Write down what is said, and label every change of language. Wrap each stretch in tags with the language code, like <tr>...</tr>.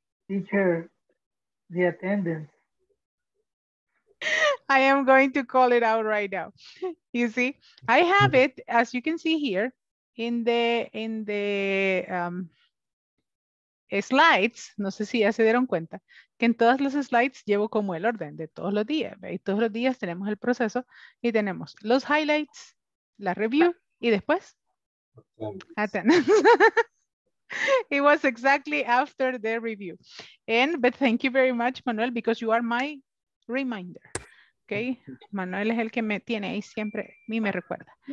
<en>Teacher, the attendant. I am going to call it out right now. You see, I have it, as you can see here, in the slides.</en> <es>No sé si ya se dieron cuenta que en todas las slides llevo como el orden de todos los días. ¿Veis? Todos los días tenemos el proceso y tenemos los highlights, la review, y después.</es> <en>It was exactly after the review. But thank you very much, Manuel, because you are my reminder.</en> <es>Okay, Manuel es el que me tiene ahí siempre, a mí me recuerda.</es>